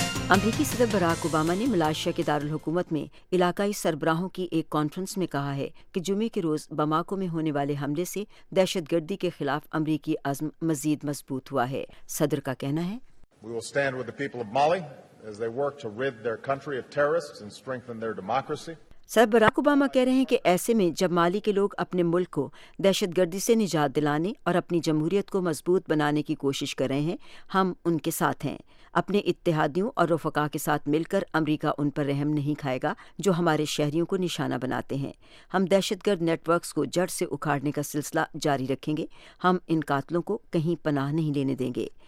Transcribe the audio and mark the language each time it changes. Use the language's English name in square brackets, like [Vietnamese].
[Urdu] امریکی صدر Barack Obama نے ملائیشیا کے دارالحکومت میں علاقائی سربراہوں کی ایک کانفرنس میں کہا ہے کہ جمعے کے روز بماکو میں ہونے والے حملے سے دہشت گردی کے خلاف امریکی عزم مزید مضبوط ہوا ہے۔ صدر کا کہنا ہے، [English] We will stand with the people of Mali as they work to rid their country of terrorists and strengthen their democracy۔ [Urdu] صدر براک اوباما کہہ رہے ہیں کہ ایسے میں جب مالی کے لوگ اپنے ملک کو دہشت گردی سے نجات دلانے اور اپنی جمہوریت کو مضبوط بنانے کی کوشش کر رہے ہیں، ہم ان کے ساتھ ہیں۔ اپنے اتحادیوں اور رفقا کے ساتھ مل کر امریکہ ان پر رحم نہیں کھائے گا جو ہمارے شہریوں کو نشانہ بناتے ہیں۔ ہم دہشت گرد نیٹ ورکس کو جڑ سے اکھاڑنے کا سلسلہ جاری رکھیں گے۔ ہم ان قاتلوں کو کہیں پناہ نہیں لینے دیں گے۔